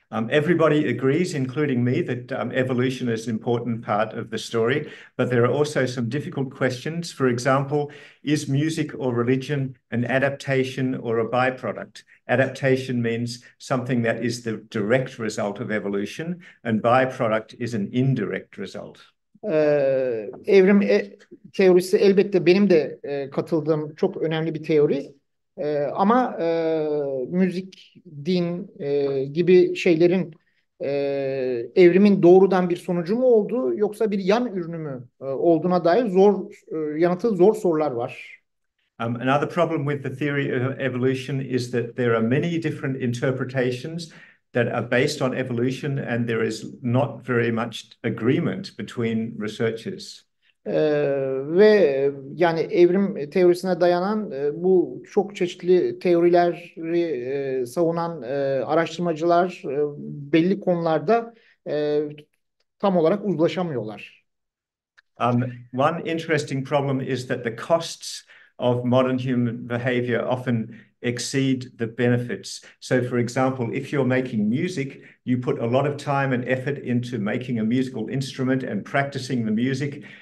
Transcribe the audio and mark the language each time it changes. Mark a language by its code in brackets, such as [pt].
[en] Everybody agrees, including me, that evolution is an important part of the story. But there are also some difficult questions. For example, is music or religion an adaptation or a byproduct? Adaptation means something that is the direct result of evolution, and byproduct is an indirect result. [tr] Evrim teorisi elbette benim de katıldığım çok önemli bir teori. Ama müzik, din gibi şeylerin evrimin doğrudan bir sonucu mu olduğu yoksa bir yan ürünü mü olduğuna dair zor yanıtı zor sorular var. [en] Another problem with the theory of evolution is that there are many different interpretations that are based on evolution and there is not very much agreement between researchers. [tr] Ve yani evrim teorisine dayanan bu çok çeşitli teorileri savunan araştırmacılar belli konularda tam olarak uzlaşamıyorlar. [en] One interesting problem is that the costs of modern human behavior often exceed the benefits. So for example, if you're making music, you put a lot of time and effort into making a musical instrument and practicing the music.